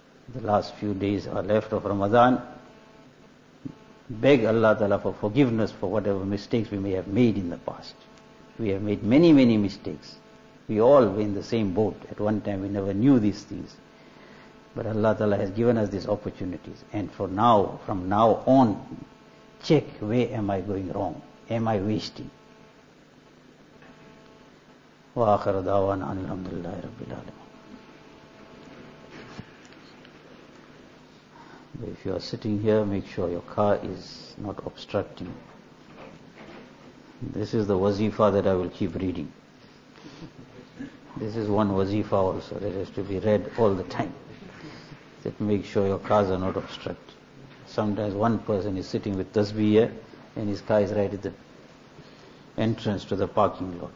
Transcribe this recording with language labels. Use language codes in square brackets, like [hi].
[en] The last few days are left of Ramadan. Beg Allah Ta'ala for forgiveness for whatever mistakes we may have made in the past. We have made many, many mistakes. We all were in the same boat. At one time we never knew these things. But Allah Ta'ala has given us these opportunities. And for now, from now on, check where am I going wrong? Am I wasting? [ar] وآخر دعوانا أن الحمد لله رب العالمين. [en] If you are sitting here, make sure your car is not obstructing. This is the wazifa that I will keep reading. This is one wazifa also that has to be read all the time. That make sure your cars are not obstructed. Sometimes one person is sitting with tasbih here and his car is right at the entrance to the parking lot.